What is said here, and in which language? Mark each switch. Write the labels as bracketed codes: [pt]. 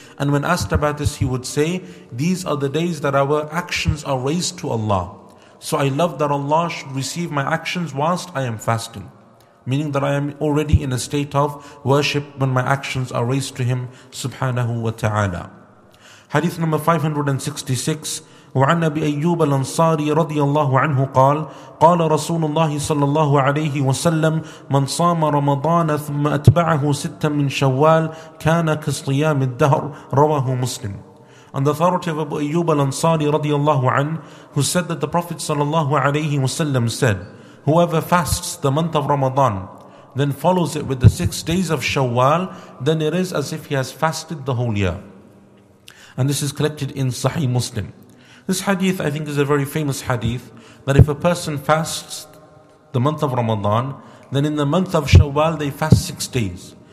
[en] And when asked about this, he would say, these are the days that our actions are raised to Allah. So I love that Allah should receive my actions whilst I am fasting. meaning that I am already in a state of worship when my actions are raised to him subhanahu wa ta'ala. Hadith number 566. [ar] وعن أبي أيوب الأنصاري رضي الله عنه قال قال رسول الله صلى الله عليه وسلم من صام رمضان ثم أتبعه ستا من شوال كان كصيام الدهر رواه مسلم. [en] On the authority of Abu Ayyub al-Ansari رضي الله عنه, who said that the Prophet صلى الله عليه وسلم said, whoever fasts the month of Ramadan, then follows it with the 6 days of Shawwal, then it is as if he has fasted the whole year. And this is collected in Sahih Muslim. This hadith, I think, is a very famous hadith, that if a person fasts the month of Ramadan, then in the month of Shawwal they fast 6 days.